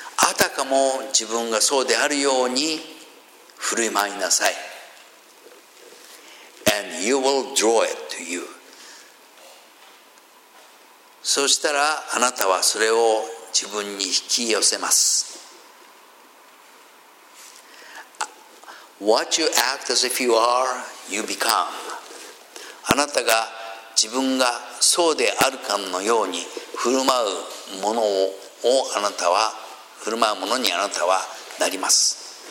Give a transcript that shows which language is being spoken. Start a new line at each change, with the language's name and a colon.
Japanese: あたかも自分がそうであるように振る舞いなさい。
English: And you will draw it to you。
Japanese: そしたらあなたはそれを自分に引き寄せます。
English: What you act as if you are, you become。
Japanese: あなたが自分がそうであるかのように振る舞うものをあなたは振る舞うものにあなたはなります。